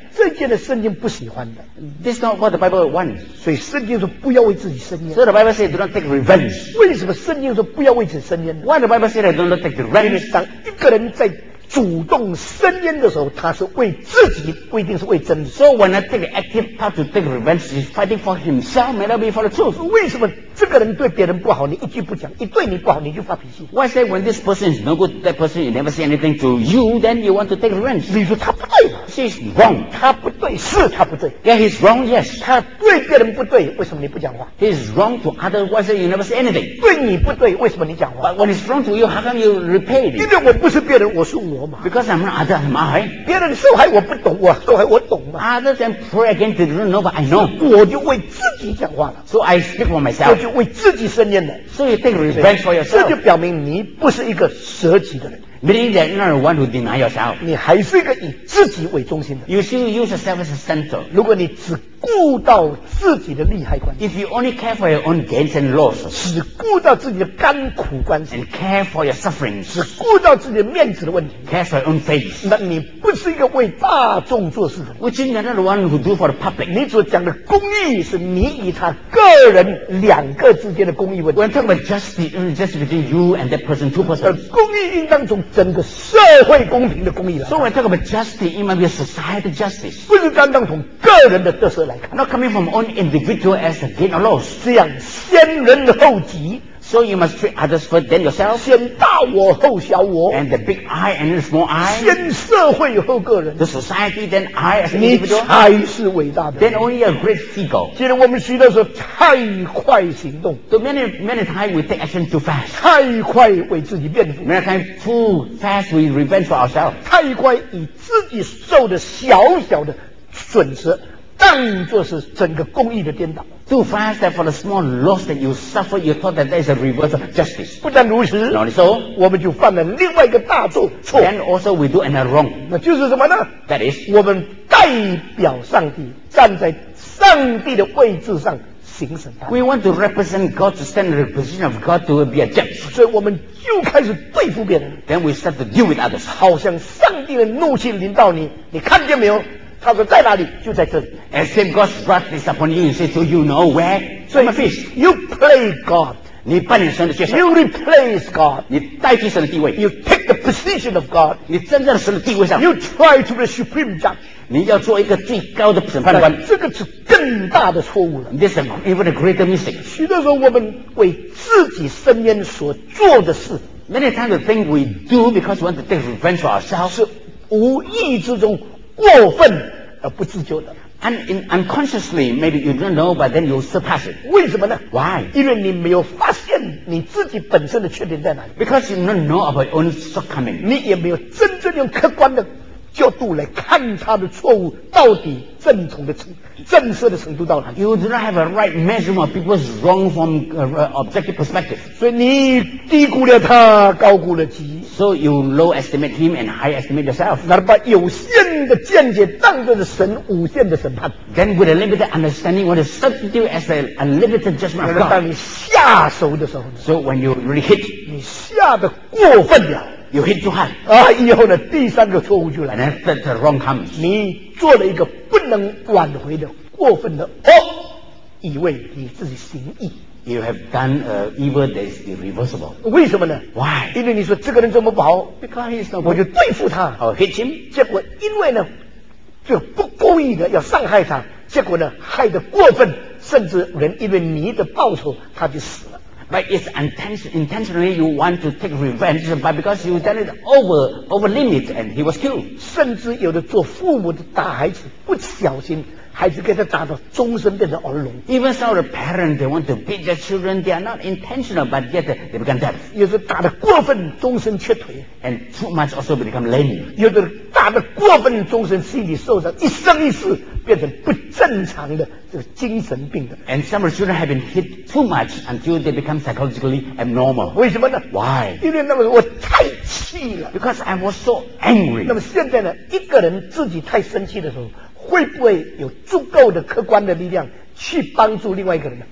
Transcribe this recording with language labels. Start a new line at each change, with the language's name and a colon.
Chinese: 这件的圣经不喜欢的。
English: This is not what the Bible wants。
Chinese: 所以圣经说不要为自己伸冤。
English: So the Bible says do not take revenge。
Chinese: 为什么圣经说不要为自己伸冤
English: ？Why the Bible says do not take revenge？
Chinese: 因为当一个人在主动伸冤的时候，他是为自己，不一定是为真理。
English: So when I take active part to take revenge, he's fighting for himself, may not be for the truth.
Chinese: 为什么这个人对别人不好，你一句不讲；一对你不好，你就发脾气
English: ？Why say when this person is no good to that person, you never say anything to you, then you want to take revenge?
Chinese: 你说他不对
English: ，She's wrong.
Chinese: 他不对，是他不对。
English: Yeah, he's wrong. Yes.
Chinese: 他对别人不对，为什么你不讲话
English: ？He's wrong to others. Why say you never say anything?
Chinese: 对你不对，为什么你讲话
English: ？But when he's wrong to you, how come you repay it?
Chinese: 因为我不是别人，我是我。
English: Because I'm not other than my.
Chinese: 别人受害我不懂，我受害我懂吗
English: ？Other than pray against, they don't know, but I know.
Chinese: 我就为自己讲话了。
English: So I speak for myself.
Chinese: 我就为自己申冤的。
English: So you take revenge for yourself.
Chinese: 这就表明你不是一个舍己的人。
English: Meaning that you're not one who deny yourself.
Chinese: 你还是一个以自己为中心的。
English: You still use yourself as a center.
Chinese: 如果你只顾到自己的利害关系。
English: If you only care for your own gains and losses.
Chinese: 只顾到自己的甘苦关系。
English: And care for your sufferings.
Chinese: 只顾到自己的面子的问题。
English: Care for your own face.
Chinese: 那你不是一个为大众做事的。
English: Which means you're not one who do for the public.
Chinese: 你所讲的公义是你与他个人两个之间的公义问题。
English: When talking about justice, just between you and that person, two persons.
Chinese: 公义应当从整个社会公平的公益来。
English: So when talking about justice, it might be a society justice.
Chinese: 不是单单从个人的得失来看。
English: Not coming from own individual as a gain or loss.
Chinese: 这样先人后己。
English: So you must treat others first, then yourself.
Chinese: 先大我后小我。
English: And the big I and the small I.
Chinese: 先社会后个人。
English: The society, then I as an individual.
Chinese: 你才是伟大的。
English: Then only a great figure.
Chinese: 既然我们许多时候太快行动。
English: So many, many times we take action too fast.
Chinese: 太快为自己辩护。
English: Many times too fast we revenge for ourselves.
Chinese: 太快以自己受的小小的损失当作是整个公益的颠倒。
English: Too fast that for the small loss that you suffer, you thought that there is a reverse of justice.
Chinese: 不但如此，
English: Not so,
Chinese: 我们就犯了另外一个大错。
English: Then also we do another wrong.
Chinese: 那就是什么呢？
English: That is,
Chinese: 我们代表上帝，站在上帝的位置上行审判。
English: We want to represent God, to stand in the position of God to be a judge.
Chinese: 所以我们就开始对付别人。
English: Then we start to deal with others.
Chinese: 好像上帝的怒气临到你，你看见没有？他说在哪里？就在这里。
English: As same God's wrath is upon you, he says, do you know where? So my fish, you play God.
Chinese: 你扮演神的角色。
English: You replace God.
Chinese: 你代替神的地位。
English: You take the position of God.
Chinese: 你站在神的地位上。
English: You try to be the supreme judge.
Chinese: 你要做一个最高的审判官。这个是更大的错误了。
English: This is even a greater mistake.
Chinese: 许多时候我们为自己身边所做的事。
English: Many times the thing we do because we want to take revenge for ourselves.
Chinese: 是无意之中过分而不自救的。
English: And in unconsciously, maybe you don't know, but then you surpass it.
Chinese: 为什么呢？
English: Why?
Chinese: 因为你没有发现你自己本身的缺点在哪里。
English: Because you don't know about your own shortcoming.
Chinese: 你也没有真正用客观的角度来看他的错误到底正统的正色的程度到哪里。
English: You do not have a right measurement of people's wrong from objective perspective.
Chinese: 所以你低估了他，高估了己。
English: So you low estimate him and high estimate yourself.
Chinese: 那把有限的见解当作是神无限的审判。
English: Then with a limited understanding, what is substitute as an unlimited judgment of God?
Chinese: 当你下手的时候呢？
English: So when you really hit,
Chinese: 你下得过分了。
English: You hit too hard.
Chinese: 啊，以后呢，第三个错误就来了。
English: And then the wrong comes.
Chinese: 你做了一个不能挽回的过分的恶，以为你自己行义。
English: You have done a evil that is irreversible.
Chinese: 为什么呢？
English: Why?
Chinese: 因为你说这个人这么不好，
English: because he's not good.
Chinese: 我就对付他。
English: I'll hit him.
Chinese: 结果因为呢，就不故意的要伤害他，结果呢，害得过分，甚至人因为你的报仇，他就死了。
English: But it's intentionally you want to take revenge, but because you done it over limit and he was killed.
Chinese: 甚至有的做父母的打孩子，不小心孩子给他打到终身变成耳聋。
English: Even some of the parents they want to beat their children, they are not intentional, but yet they become deaf.
Chinese: 有的打得过分，终身瘸腿。
English: And too much also become lame.
Chinese: 有的打得过分，终身心理受伤，一生一世变成不正常的。这个精神病的。
English: And some children have been hit too much until they become psychologically abnormal.
Chinese: 为什么呢？
English: Why?
Chinese: 因为那个时候我太气了。
English: Because I was so angry.
Chinese: 那么现在呢，一个人自己太生气的时候，会不会有足够的客观的力量去帮助另外一个人呢？